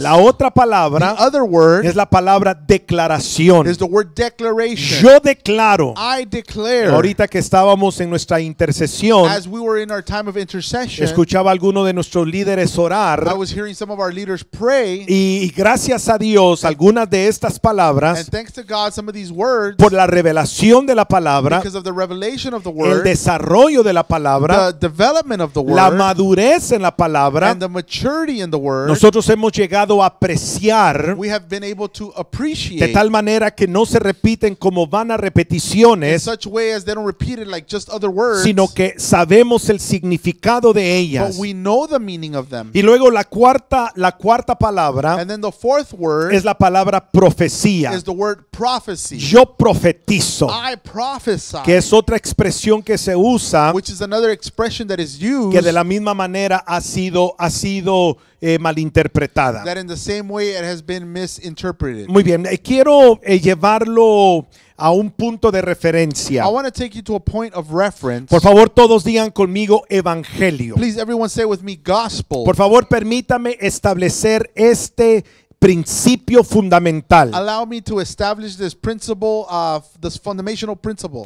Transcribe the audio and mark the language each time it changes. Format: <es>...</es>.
<es>La otra palabra.</es> <en>The other word.</en> <es>Es la palabra declaración.</es> <en>Is the word declaration.</en> <es>Yo declaro.</es> <en>I declare.</en> <es>Ahorita que estábamos en nuestra intercesión,</es> <en>as we were in our time of intercession,</en> <es>escuchaba a alguno de nuestros líderes orar,</es> <en>I was hearing some of our leaders pray,</en> <es>y gracias a Dios, algunas de estas palabras,</es> <en>and thanks to God, some of these words,</en> <es>por la revelación de la palabra,</es> <en>because of the revelation of the word,</en> <es>el desarrollo de la palabra,</es> <en>the development of the word,</en> <es>la madurez en la palabra,</es> <en>and the maturity in the word,</en> <es>nosotros hemos llegado a apreciar,</es> <en>we have been able to appreciate,</en> <es>de tal manera que no se repiten como vanas repeticiones,</es> <en>in such way as they don't repeat it like just other words,</en> <es>sino que sabemos el significado de ellas,</es> <en>but we know the meaning of them.</en> <es>Y luego la cuarta palabra,</es> <en>and then the fourth word,</en> <es>es la palabra profecía,</es> <en>is the word prophecy.</en> <es>Yo profetizo,</es> <en>I prophesy,</en> <es>que es otra expresión que se usa,</es> <en>which is another expression that is used,</en> <es>que de la misma manera ha sido malinterpretada,</es> <en>that in the same way it has been misinterpreted.</en> <es>Muy bien, quiero llevarlo a un punto de referencia.</es> <en>I want to take you to a point of reference.</en> <es>Por favor, todos digan conmigo evangelio.</es> <en>Please, everyone say with me gospel.</en> <es>Por favor, permítame establecer este principio fundamental.</es> <en>Allow me to establish this principle, this foundational principle.</en>